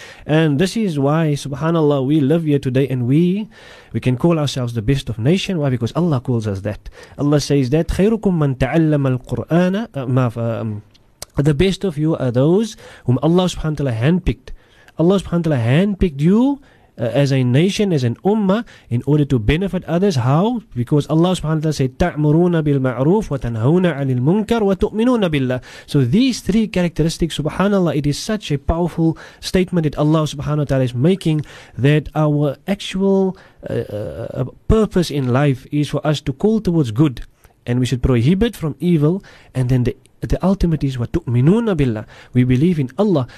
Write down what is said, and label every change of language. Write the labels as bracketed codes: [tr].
[en] And this is why, subhanAllah, we live here today, and we can call ourselves the best of nation. Why? Because Allah calls us that. Allah says that [ar] خيركم من تعلم القرآن [en] the best of you are those whom Allah subhanahu wa ta'ala handpicked. Allah subhanahu wa ta'ala handpicked you as a nation, as an ummah, in order to benefit others. How? Because Allah subhanahu wa ta'ala said [ar] تأمرون بالمعروف وتنهون عن المنكر وتؤمنون بالله. [en] So these three characteristics, subhanallah, it is such a powerful statement that Allah subhanahu wa ta'ala is making, that our actual purpose in life is for us to call towards good, and we should prohibit from evil, and then the ultimate is [ar] وَتُؤْمِنُونَ بِاللَّهِ, [en] we believe in Allah.